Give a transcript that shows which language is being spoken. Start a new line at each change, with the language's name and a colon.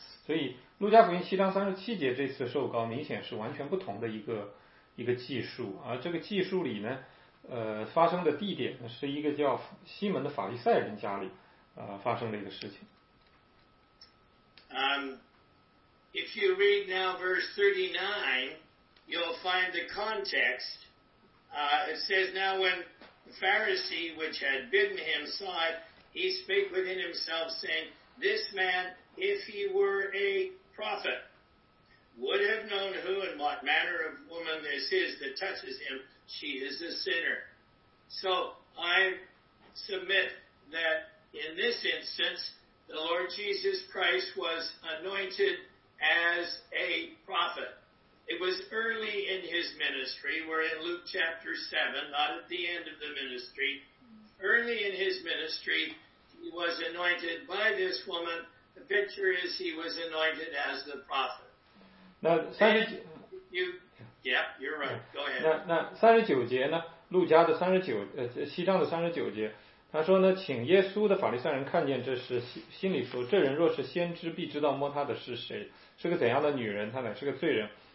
Chinese: 所以路加福音七章三十七节这次受膏明显是完全不同的一个记述，而这个记述里呢发生的地点是一个叫西门的法利赛人家里发生的一个事情。
English: If you read now verse 39, you'll find the context. It says, "Now when the Pharisee which had bidden him saw it, he spake within himself, saying, This man, if he were a prophet, would have known who and what manner of woman this is that touches him. She is a sinner." So I submit that in this instance, the Lord Jesus Christ was anointed as a prophet. It was early in his ministry, we're in Luke chapter 7, not at the end of the ministry. Early in his ministry, he was anointed by this woman. The picture is he was anointed as the prophet.
Chinese: Now, 39节呢，路加的39节，他说呢，请耶稣的法利赛人看见这事，心里说，这人若是先知，必知道摸他的是谁，是个怎样的女人，他乃是个罪人。